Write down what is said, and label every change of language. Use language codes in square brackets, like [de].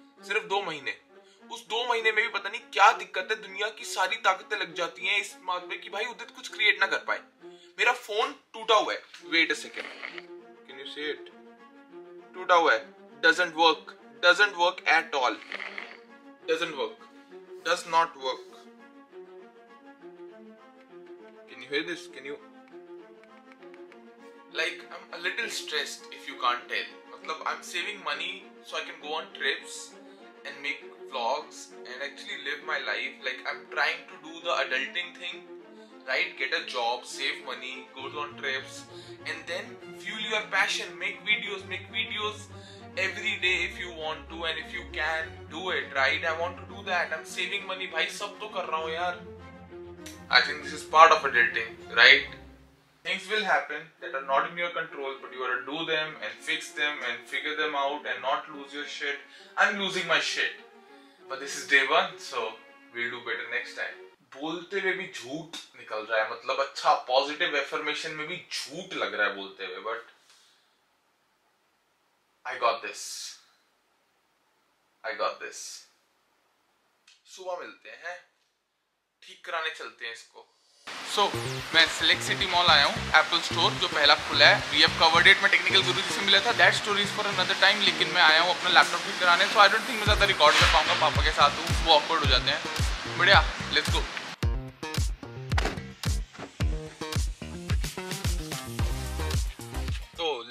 [hi] सिर्फ 2 महीने उस 2 महीने में भी पता नहीं क्या दिक्कत है दुनिया की सारी ताकतें लग जाती हैं इस बात पे कि भाई उदित कुछ क्रिएट ना कर पाए मेरा फोन टूटा हुआ है [en] wait a second can you see it [hi] टूटा हुआ है [en] Doesn't work at all doesn't work does not work Hear this? Can you? Like, I'm a little stressed. If you can't tell, मतलब I'm saving money so I can go on trips and make vlogs and actually live my life. Like, I'm trying to do the adulting thing, right? Get a job, save money, go on trips, and then fuel your passion. Make videos every day if you want to and if you can do it, right? I want to do that. I'm saving money. [hi] भाई सब तो कर रहा हूँ यार. [en] I think this is part of adulting, right? Things will happen that are not in your control, but you gotta do them and fix them and figure them out and not lose your shit. I'm losing my shit. But this is day one, so we'll do better next time. [hi] बोलते हुए भी झूठ निकल रहा है मतलब अच्छा positive affirmation में भी झूठ लग रहा है बोलते हुए [en] But I got this. [hi] सुबह मिलते हैं ठीक कराने चलते हैं इसको सो मैं सिलेक्ट सिटी मॉल आया हूँ एप्पल स्टोर जो पहला खुला है [en] we have covered it [hi] मैं टेक्निकल गुरु जी से मिला था [en] that story is for another time [hi] लेकिन मैं आया हूँ अपना लैपटॉप ठीक कराने [en] so I don't think [hi] मैं ज्यादा रिकॉर्ड कर पाऊंगा पापा के साथ हूँ वो ऑकवर्ड हो जाते हैं बढ़िया [en] let's go [hi] तो